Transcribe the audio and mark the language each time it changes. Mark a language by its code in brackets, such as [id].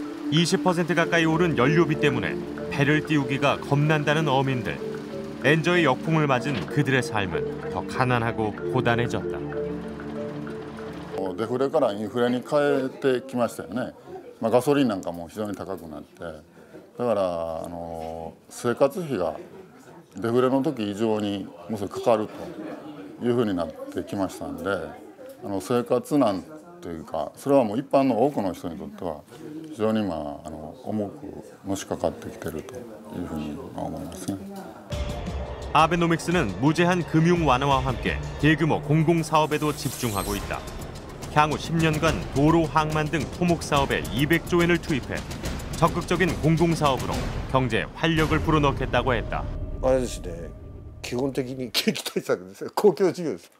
[ko] 20% 가까이 오른 연료비 때문에 배를 띄우기가 겁난다는 어민들. 엔저의 역풍을 맞은 그들의 삶은 더 가난하고 고단해졌다. [ja] デフレからインフレに変えてきましたよね。ガソリンなんかも非常に高くなって、だから生活費がデフレの時以上にむしろかかるというふうになってきましたんで、生活難というか、それはもう一般の多くの人にとっては非常に重くのしかかってきてるというふうに思いますね。 [ko] 아베노믹스는 무제한 금융완화와 함께 대규모 공공사업에도 집중하고 있다. 향후 10년간 도로 항만 등 토목사업에 200조 엔을 투입해 적극적인 공공사업으로 경제에 활력을 불어넣겠다고 했다. 아저씨네, 기본적인 계기도 있었어요. 공공사업이었어요.